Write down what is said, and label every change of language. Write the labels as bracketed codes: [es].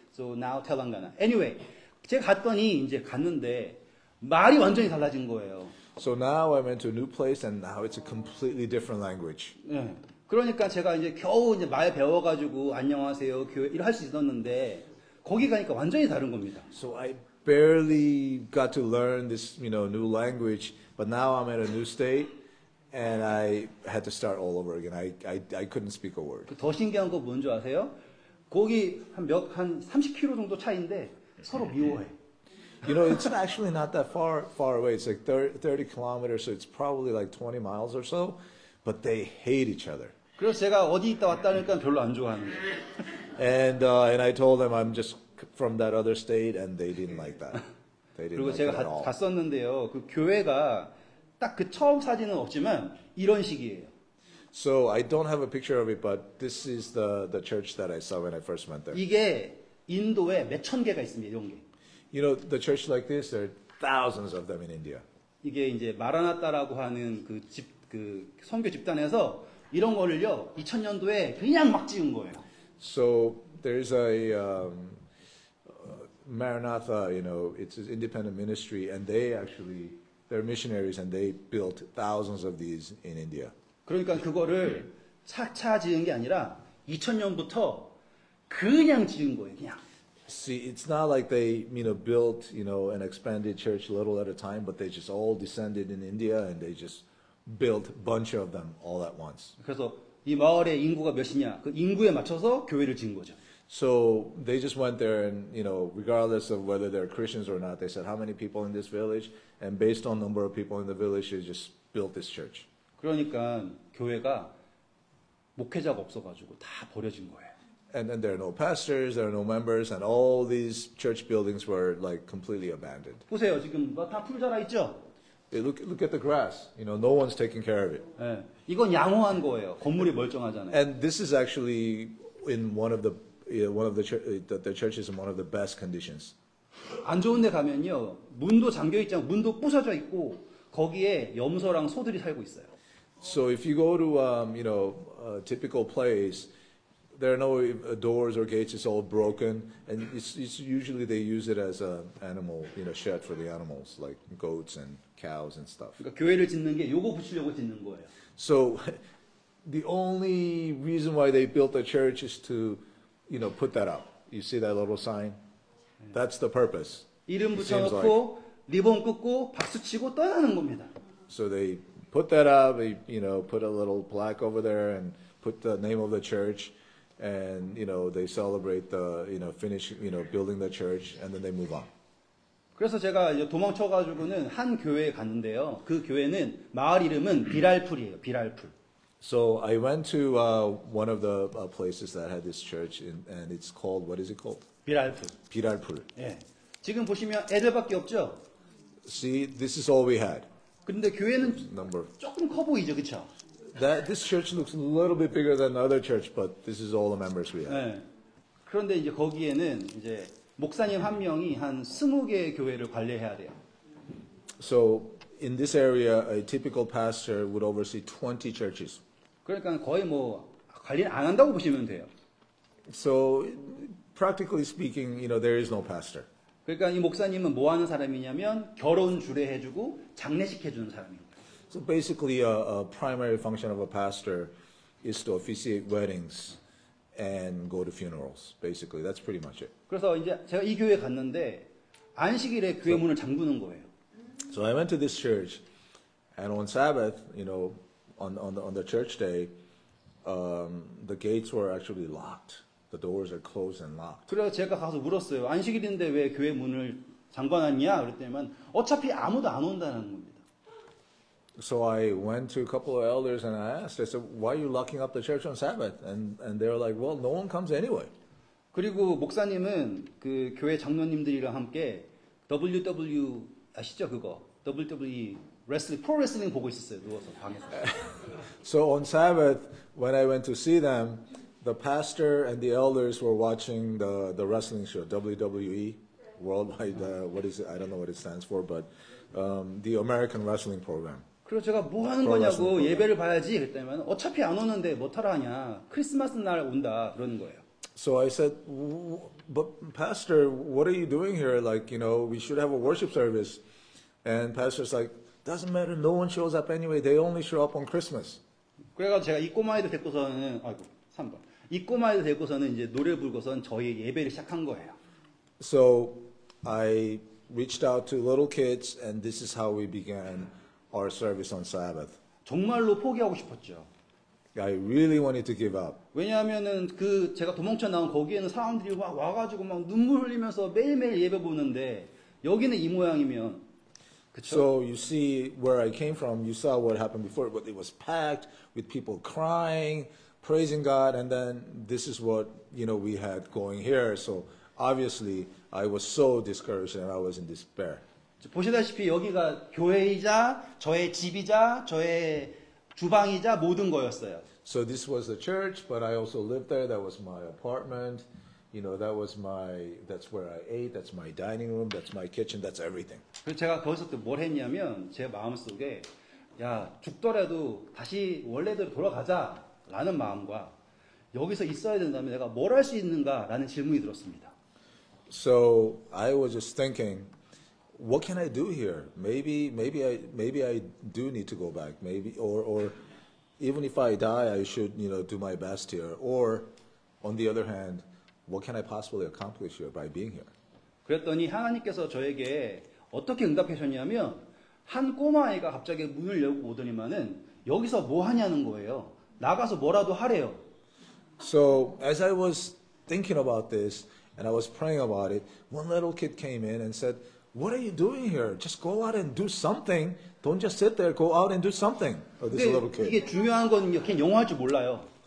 [en] So now Telangana. [ko] Anyway, 제가 갔더니 이제 갔는데 말이 완전히 달라진 거예요. [en] So now I went to a new place and now it's a completely different language. 그러니까 제가 이제 겨우 이제 말 배워가지고 안녕하세요, 교회 이렇게 할 수 있었는데 거기 가니까 완전히 다른 겁니다. So I barely got to learn this, you know, new language, but now I'm at a new state. And I had to start all over again. I couldn't speak a word. [ko] 더 신기한 거 뭔 줄 아세요? 거기 한 30km 정도 차인데 서로 미워해. [en] You know, it's actually not that far away. It's like 30 kilometers, so it's probably like 20 miles or so. But they hate each other. [ko] 그래서 제가 어디 있다 왔다 하니까 별로 안 좋아하는 거예요. [en] And I told them I'm just from that other state, and they didn't like that. They didn't like that at all. [ko] 그리고 제가 갔었는데요. 그 교회가 딱 그 처음 사진은 없지만 이런 식이에요. [en] So I don't have a picture of it, but this is the church that I saw when I first went there. [ko] 이게 인도에 몇천 개가 있습니다, 이런 게. [en] You know, the church like this, there are thousands of them in India. [ko] 이게 이제 마라나타라고 하는 그 선교 집단에서 이런 거를요, 2000년도에 그냥 막 지은 거예요. [en] So there's a Maranatha, you know, it's an independent ministry, and they actually they're missionaries and they built thousands of these in India. [ko] 그러니까 그거를 차차 지은 게 아니라 2000년부터 그냥 지은 거예요, 그냥. [en] See, it's not like they, you know, built, you know, an expanded church little at a time, but they just all descended in India and they just built a bunch of them all at once. [ko] 그래서 이 마을의 인구가 몇이냐? 그 인구에 맞춰서 교회를 지은 거죠. [en] So they just went there and, you know, regardless of whether they're Christians or not, they said, how many people in this village? And based on number of people in the village, they just built this church. [ko] 그러니까 교회가 목회자가 없어가지고 다 버려진 거예요. [en] And then there are no pastors, there are no members, and all these church buildings were like completely abandoned. [ko] 보세요, 지금 다 풀 자라 있죠? [en] Look at the grass. You know, no one's taking care of it. [ko] 네, 이건 양호한 거예요. 건물이 멀쩡하잖아요. [en] And this is actually in one of the the church is in one of the best conditions. [ko] 안 좋은 데 가면요, 문도 잠겨 있지 않고 문도 부서져 있고 거기에 염소랑 소들이 살고 있어요. [en] So if you go to you know a typical place, there are no doors or gates. It's all broken, and it's usually they use it as a animal, you know, shed for the animals like goats and cows and stuff. [ko] 그러니까 교회를 짓는 게 요거 붙이려고 짓는 거예요. [en] So the only reason why they built the church is to you know, put that up. You see that little sign? That's the purpose. [ko] 이름 붙여놓고 리본 끊고 박수 치고 떠나는 겁니다. [en] So they put that up. They, you know, put a little plaque over there and put the name of the church. And you know, they celebrate the you know finish you know building the church and then they move on. [ko] 그래서 제가 도망쳐가지고는 한 교회에 갔는데요. 그 교회는 마을 이름은 비랄풀이에요. 비랄풀. [en] So I went to one of the places that had this church, and it's called, what is it called? [ko] 비랄풀. 비랄풀. 예. 지금 보시면 애들밖에 없죠? [en] See, this is all we had. [ko] 근데 교회는 number. 조금 커 보이죠, 그쵸? [en] This church looks a little bit bigger than the other church, but this is all the members we had. [ko] 예. 그런데 이제 거기에는 이제 목사님 한 명이 한 20개의 교회를 관리해야 돼요. [en] So in this area, a typical pastor would oversee 20 churches. [ko] 그러니까 거의 뭐 관리를 안 한다고 보시면 돼요. [en] So, practically speaking, you know, there is no pastor. [ko] 그러니까 이 목사님은 뭐 하는 사람이냐면 결혼 주례해주고 장례식 해주는 사람인 거예요. [en] So basically, a primary function of a pastor is to officiate weddings and go to funerals. Basically, that's pretty much it. [ko] 그래서 이제 제가 이 교회 갔는데 안식일에 교회 문을 잠그는 거예요. [en] So I went to this church, and on Sabbath, you know, on the church day, the gates were actually locked. The doors are closed and locked. [ko] 그래서 제가 가서 물었어요. 안식일인데 왜 교회 문을 잠궈놨냐? 그랬더니만 어차피 아무도 안 온다는 겁니다. [en] So I went to a couple of elders and I asked. I said, "Why are you locking up the church on Sabbath?" And they were like, "Well, no one comes anyway." [ko] 그리고 목사님은 그 교회 장로님들이랑 함께 WW 아시죠 그거 WWE 레슬링 프로 레슬링 보고 있었어요 누워서 방에서. [en] So on Sabbath, when I went to see them, the pastor and the elders were watching the wrestling show WWE Worldwide. What is it? I don't know what it stands for, but the American wrestling program. [ko] 그래서 제가 뭐 하는 거냐고 예배를 봐야지 그랬더니만 어차피 안 오는데 뭐 타러 하냐 크리스마스 날 온다 그러는 거예요. [en] So I said, but Pastor, what are you doing here? Like, you know, we should have a worship service. And Pastor's like, doesn't matter. No one shows up anyway. They only show up on Christmas. [ko] 그래서 제가 이 꼬마애도 데리고서는, 아이고, 3번. 이 꼬마애도 데리고서는 이제 노래 불고선 저희 예배를 시작한 거예요. [en] So I reached out to little kids, and this is how we began our service on Sabbath. [ko] 정말로 포기하고 싶었죠. [en] I really wanted to give up. [ko] 왜냐하면은 그 제가 도망쳐 나온 거기에는 사람들이 막 와가지고 막 눈물 흘리면서 매일매일 예배 보는데 여기는 이 모양이면 그쵸? [en] So you see where I came from. You saw what happened before, but it was packed with people crying, praising God, and then this is what you know we had going here. So obviously I was so discouraged and I was in despair. [ko] 보시다시피 여기가 교회이자 저의 집이자 저의 주방이자 모든 거였어요. [en] So this was the church, but I also lived there. That was my apartment. You know, that was my, that's where I ate. That's my dining room. That's my kitchen. That's everything. [ko] 그래서 제가 거기서 또 뭘 했냐면 제 마음속에 야, 죽더라도 다시 원래대로 돌아가자 라는 마음과 여기서 있어야 된다면 내가 뭘 할 수 있는가 라는 질문이 들었습니다. [en] So I was just thinking, what can I do here? Maybe I do need to go back. Maybe, or even if I die, I should, you know, do my best here. Or, on the other hand, what can I possibly accomplish here by being here? [ko] 그랬더니 하나님께서 저에게 어떻게 응답하셨냐면 한 꼬마아이가 갑자기 문을 열고 오더니만은 여기서 뭐 하냐는 거예요. 나가서 뭐라도 하래요. [en] So as I was thinking about this and I was praying about it, one little kid came in and said, "What are you doing here? Just go out and do something. Don't just sit there. Go out and do something." Oh, this little kid. [ko] 이게 중요한 건요. 걔 영어 할 줄 몰라요.